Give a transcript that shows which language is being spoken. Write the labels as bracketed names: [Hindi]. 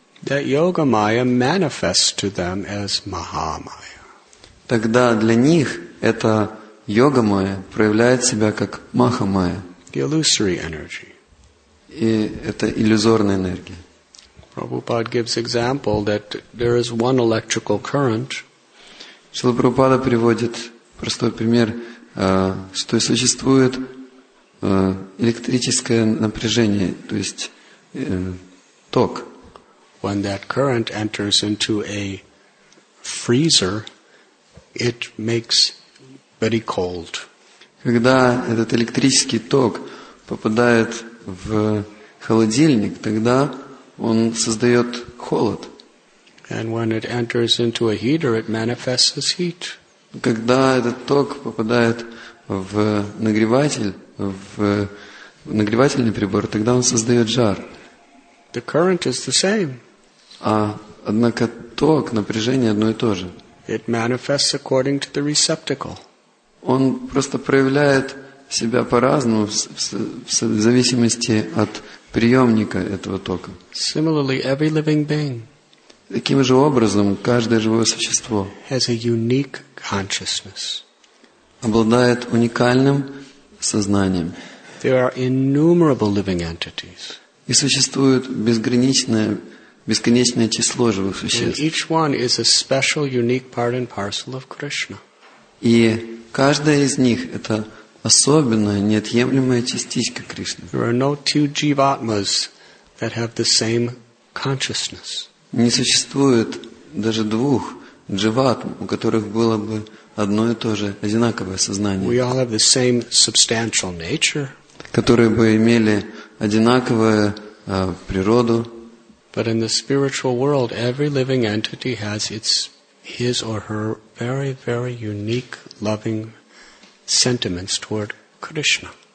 [English] That yoga maya manifests to them as mahamaya. [Russian] Тогда для них это йога-майя проявляет себя как маха-майя. [English] The illusory energy. [Russian] И это иллюзорная энергия. [English] Prabhupada gives example that there is one electrical current. [Russian] Шрила Прабхупада приводит простой пример, что существует электрическое напряжение, то есть ток. [English] When that current enters into a freezer, it makes very cold. [Russian] Когда этот электрический ток попадает в холодильник, тогда он создает холод. [English] And when it enters into a heater, it manifests as heat. [Russian] Когда этот ток попадает в нагреватель, в нагревательный прибор, тогда он создает жар. [English] The current is the same. [Russian] А, однако ток, напряжение одно и то же. [English] It manifests according to the receptacle. [Russian] Он просто проявляет себя по-разному в зависимости от приемника этого тока. [English] Similarly, every living being. [Russian] Таким же образом, каждое живое существо [English] has a unique consciousness. [Russian] Обладает уникальным сознанием. [English] There are innumerable living entities. [Russian] И существует бесконечное число живых существ. [English] And each one is a special, unique part and parcel of Krishna. [Russian] И каждая из них – это особенная, неотъемлемая частичка Кришны. [English] There are no two jivatmas that have the same consciousness. [Russian] Не существует даже двух дживатм, у которых было бы одно и то же, одинаковое сознание. [English] We all have the same substantial nature. [Russian] Которые бы имели одинаковую природу. [English] But in the spiritual world, every living entity has his or her very, very unique loving sentiments toward Krishna.